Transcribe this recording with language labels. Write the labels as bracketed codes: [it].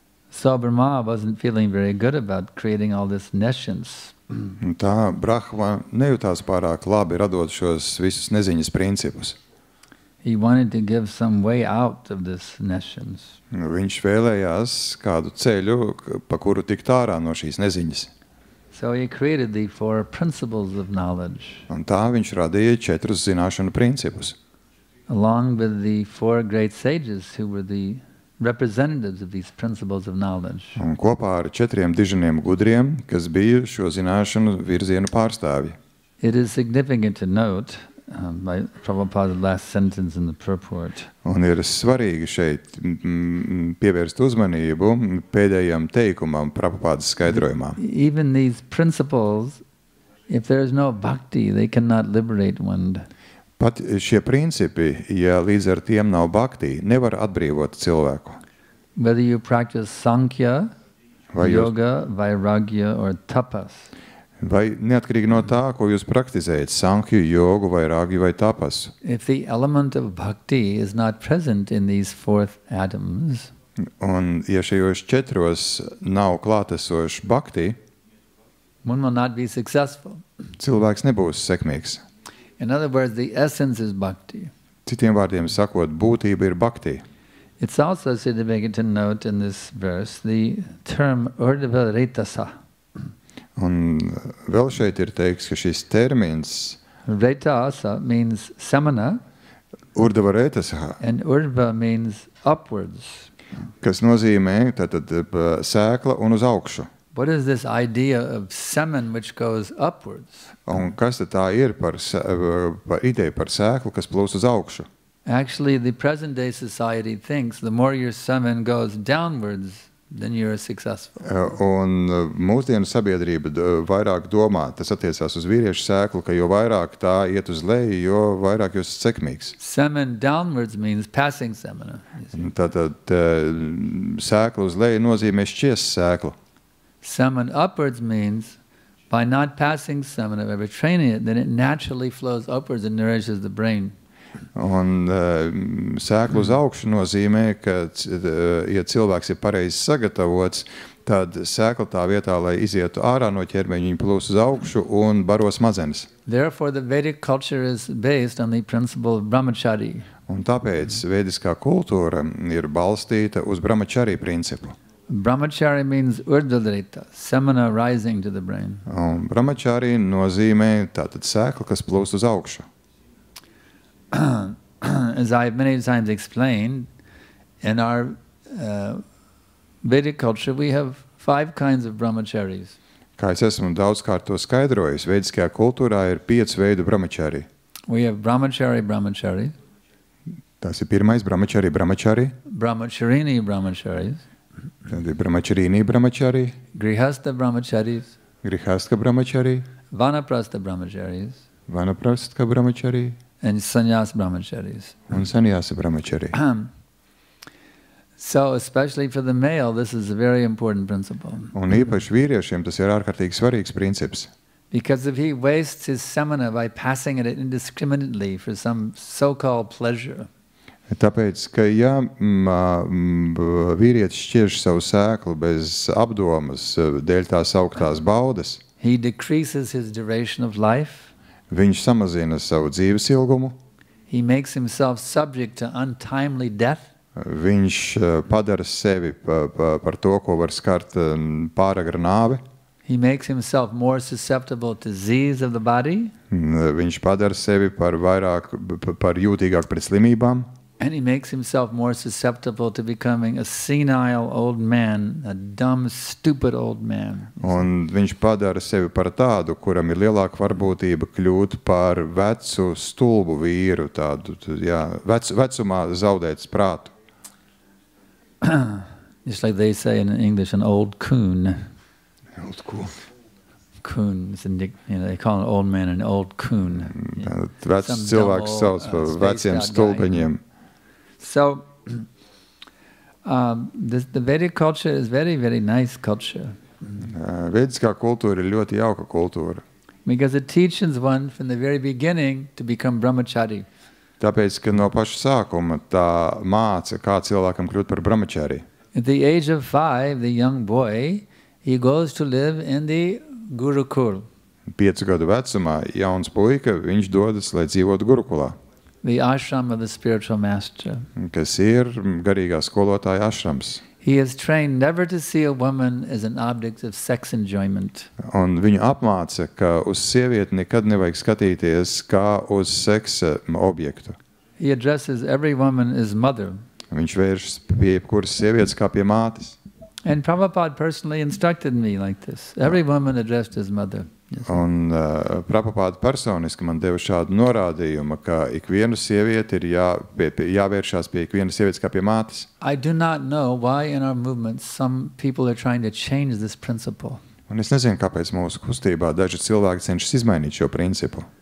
[en] So Brahma wasn't feeling very good about creating all this nescience. [lv] Tā Brahma nejūtās pārāk labi radot šos visus neziņas principus. [en] He wanted to give some way out of this nescience. [lv] Viņš vēlējās kādu ceļu, pa kuru tikt ārā no šīs neziņas. [en] So he created the four principles of knowledge. [lv] Un tā viņš radīja četrus zināšanu principus. [en] Along with the four great sages who were the representatives of these principles of knowledge. [lv] Un kopā ar četriem dižaniem gudriem, kas bija šo zināšanu virzienu pārstāvji. [en] It is significant to note by Prabhupada's last sentence in the purport. [lv] Un ir svarīgi šeit pievērst uzmanību pēdējam teikumam Prabhupādas skaidrojumā. [en] Even these principles, if there is no bhakti, they cannot liberate one. [lv] Pat šie principi, ja līdz ar tiem nav bhakti, nevar atbrīvot cilvēku. [en] Whether you practice sankhya, yoga, vairagya or tapas. [lv] Vai neatkarīgi no tā, ko jūs praktizējat, sankhya, jogu, vairagya vai tapas. [en] If the element of bhakti is not present in these fourth atoms. [lv] Un ja šajos četros nav klātesoši bhakti, [en] one will not be successful. [lv] Cilvēks nebūs sekmīgs. [en] In other words, the essence is bhakti. [lv] Citiem vārdiem sakot, būtība ir bhakti. [en] It's also significant to note in this verse the term urdhva-retasa. [lv] Un vēl šeit ir teikts, ka šis termins [en] retasa means samana. [lv] Urdhva-retasa. [en] And urdhva means upwards. [lv] Kas nozīmē, tātad sēkla un uz augšu. [en] What is this idea of semen which goes upwards? [lv] Un kas tad tā ir par ideju par sēklu, kas plūst uz augšu? [en] Actually, the present day society thinks the more your semen goes downwards, then you are successful. [lv] Un mūsdienu sabiedrība vairāk domā, tas attiecās uz vīriešu sēklu, ka jo vairāk tā iet uz leju, jo vairāk jūs esat sekmīgs. [en] Semen downwards means passing semen. [lv] Tātad sēkla uz leju nozīmē šķies sēklu. [en] Semen upwards means by not passing semen of ever training it, then it naturally flows upwards and nourishes the brain. [lv] Un sēklu uz augšu nozīmē, ka ja cilvēks ir pareizi sagatavots, tad sēkla tā vietā, lai izietu ārā no ķermeņa, viņa plūs uz augšu un baro smadzenes. [en] Therefore, the Vedic culture is based on the principle of brahmachari. [lv] Un tāpēc vediskā kultūra ir balstīta uz brahmachari principu. [en] Brahmachari means urdhva-rita, semana rising to the brain. [lv] Un brahmachari nozīmē tātad sēkla, kas plūs uz augšu. [en] As I have many times explained, in our Vedic culture, we have five kinds of brahmacharis. [lv] Kā es esmu daudzkārt to skaidrojis, vediskajā kultūrā ir piecu veidu brahmachari. [en] We have brahmachari. [lv] Tas ir pirmais brahmachari. [en] Brahmacharini brahmacharis. [lv] Tad ir brahmacharini brahmachari. [en] Grihastha brahmacharis. [lv] Grihastha brahmachari. [en] Vanaprastha brahmacharis. [lv] Vanaprastha brahmachari. [en] And sannyasa brahmacharis. [lv] Un sannyasa brahmachari. [en] So, especially for the male, this is a very important principle. [lv] Un īpaši vīriešiem tas ir ārkārtīgi svarīgs princips. [en] Because if he wastes his semana by passing it indiscriminately for some so-called pleasure. [lv] Tāpēc, ka ja vīrietis šķirš savu sēklu bez apdomas dēļ tās augtās baudas, [en] he decreases his duration of life. [lv] Viņš samazina savu dzīves ilgumu. [en] He makes himself subject to untimely death. [lv] Viņš padara sevi par to, ko var skart pāragra nāve. [en] He makes himself more susceptible to disease of the body. [lv] Viņš padara sevi par jūtīgāk pret slimībām. [en] And he makes himself more susceptible to becoming a senile old man, a dumb, stupid old man. [lv] Un viņš padara sevi par tādu, kuram ir lielāka varbūtība kļūt par vecu, stulbu vīru, tādu, jā, vecumā zaudēt prātu. [en] Just like they say in English, an old coon. Old coon. Coon, you know, they call an old man an old coon. [lv] Vecs cilvēks sauc par veciem stulbiņiem. [en] So the Vedic culture is very, very nice culture. [lv] Vediskā kultūra ir ļoti jauka kultūra. [en] Because it teaches one from the very beginning to become brahmachari. [lv] Tāpēc, ka no paša sākuma tā māca, kā cilvēkam kļūt par brahmachari. [en] At the age of 5, the young boy, he goes to live in the gurukul. [lv] 5 gadu vecumā jauns puika, viņš dodas, lai dzīvotu gurukulā. [en] The ashram of the spiritual master. [lv] Kas ir garīgā skolotāja ashrams. [en] He is trained never to see a woman as an object of sex enjoyment. [lv] Un viņu apmāca, ka uz sievieti nekad nevajag skatīties kā uz seksa objektu. [en] He addresses every woman as mother. [lv] Viņš vēršas pie jebkuras sievietes kā pie mātes. [en] And Prabhupāda personally instructed me like this. Every woman addressed as mother. Yes. [lv] Un Prabhupāda personiski man deva šādu norādījumu, ka ikvienu sievieti ir jāvēršās pie ikvienas sievietes kā pie mātes. [en] I do not know why in our movement some people are trying to change this principle. [lv] Un es nezinu, kāpēc mūsu kustībā daži cilvēki cenšas izmainīt šo principu.